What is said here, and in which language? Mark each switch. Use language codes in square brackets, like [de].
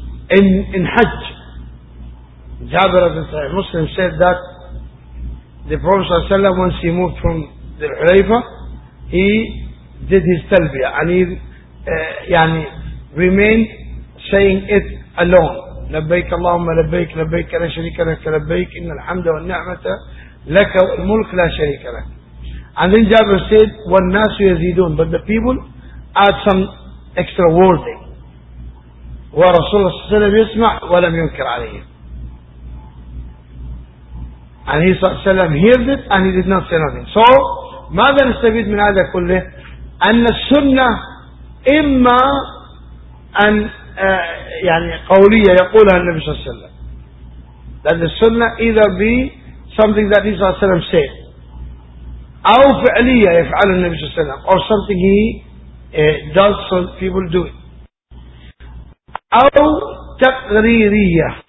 [en] In Hajj, Jabir ibn Sa'id Muslim said that the Prophet, once he moved from the Hulayfa, he did his talbiyah, and he يعني remained saying it alone. [ar] لبيك اللهم لبيك لبيك لا شريك لك لبيك إن الحمد والنعمة لك الملك لا شريك لك. [en] And then Jabir said, [ar] والناس يزيدون, [en] but the people add some extra wording. [ar] ورسول الله صلى الله عليه وسلم يسمع ولم ينكر عليه. [en] And he saw Salam heard it and he did not say nothing. [ar] So ماذا نستفيد من هذا كله؟ أن السنة إما أن يعني قولية يقولها النبي صلى الله عليه وسلم, [en] that the sunnah either be something that he صلى الله عليه وسلم said, [ar] أو فعلية يفعل النبي صلى الله عليه وسلم, [en] or something he does so people do it, [ar] أو تقريرية.